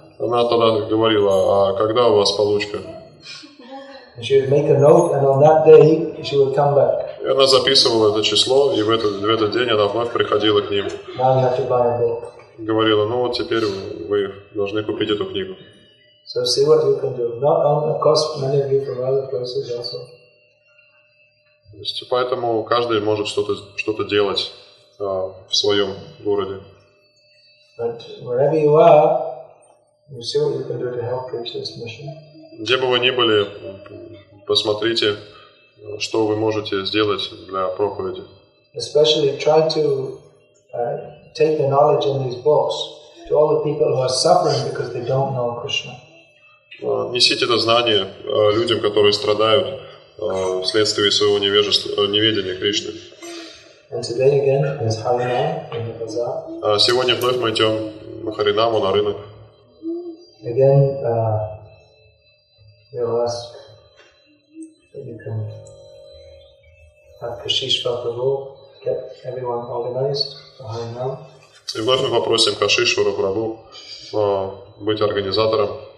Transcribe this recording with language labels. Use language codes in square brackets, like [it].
[ru] Она тогда говорила, а когда у вас получка? [en] And she would make a note, and on that day she would come back. [ru] И она записывала это число, и в этот день она вновь приходила к ним. [en] Now you have to buy a book. [ru] Говорила, ну вот теперь вы должны купить эту книгу. [en] So see what you can do. Not only, of course, many of you from other places also. [ru] Поэтому каждый может что-то делать в своем городе. [en] But wherever you are, you see what you can do to help Krishna's mission. [ru] Где бы вы ни были, посмотрите, что вы можете сделать для проповеди. [en] Especially try to take the knowledge in these books to all the people who are suffering because they don't know Krishna. [ru] Несите это знание людям, которые страдают вследствие своего неведения Кришны. [en] And today again is Харинам in the bazaar. [ru] Сегодня вновь мы идем на Харинаму, на рынок. [en] Again, we'll ask that you can have Kashish Prabhu get everyone organized for Harinam. [ru] И вновь мы попросим Кашишвара Прабу быть организатором.